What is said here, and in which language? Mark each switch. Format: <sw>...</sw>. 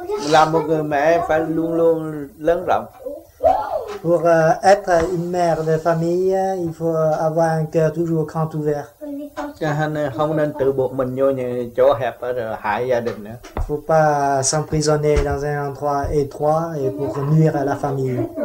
<vi>Là một người mẹ phải luôn luôn lớn rộng.</vi> <fr>Pour être une mère de famille, il faut avoir un cœur toujours grand ouvert.</fr> <vi>Không nên tự buộc mình vô những chỗ hẹp rồi hại gia đình nữa.</vi> <fr>Faut pas s'emprisonner dans un endroit étroit et pour nuire à la famille.</fr>